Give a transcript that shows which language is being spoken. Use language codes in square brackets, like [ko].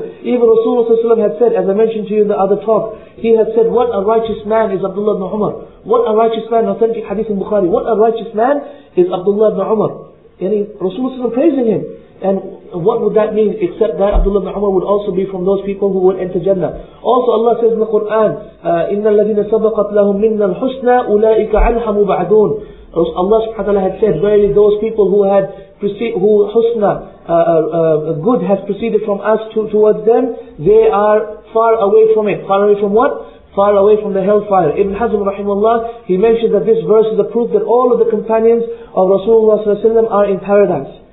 [en] Even Rasulullah ﷺ had said, as I mentioned to you in the other talk, he had said, what a righteous man is Abdullah ibn Umar. What a righteous man, authentic hadith in Bukhari, what a righteous man is Abdullah ibn Umar. And Rasulullah ﷺ praising him. And what would that mean, except that Abdullah ibn Umar would also be from those people who would enter Jannah. [ar] Also Allah says in the Quran, إِنَّ الَّذِينَ سَبَقَتْ لَهُمْ مِنَّ الْحُسْنَى أُولَٰئِكَ عَنْهَا مُبَعَدُونَ. [en] Allah subhanahu wa ta'ala had said, verily those people who good has proceeded from us towards them, they are far away from it. Far away from what? far away from the hellfire. Ibn Hazm rahimahullah, he mentioned that this verse is a proof that all of the companions of Rasulullah are in paradise.